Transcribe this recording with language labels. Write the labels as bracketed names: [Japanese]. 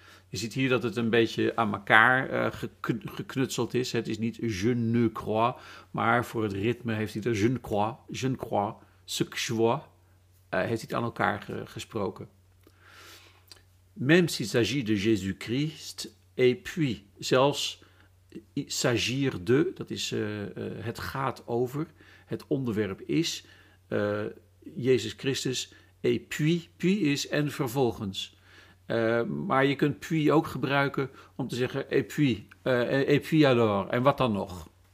[Dutch] Je ziet hier dat het een beetje aan elkaar geknutseld is. Het is niet [French] je ne crois. [Dutch] Maar voor het ritme heeft hij er je ne crois. [French] Ce que je vois. [Dutch] Heeft hij het aan elkaar gesproken. [French] Même s'il s'agit de Jésus Christ. Et puis. [Dutch] Zelfs. [French] S'agir de, [Dutch] dat is het gaat over, het onderwerp is Jezus Christus. [French] Et puis [Dutch] is en vervolgens. Maar je kunt puis ook gebruiken om te zeggen [French] et puis alors, [Dutch] en wat dan nog?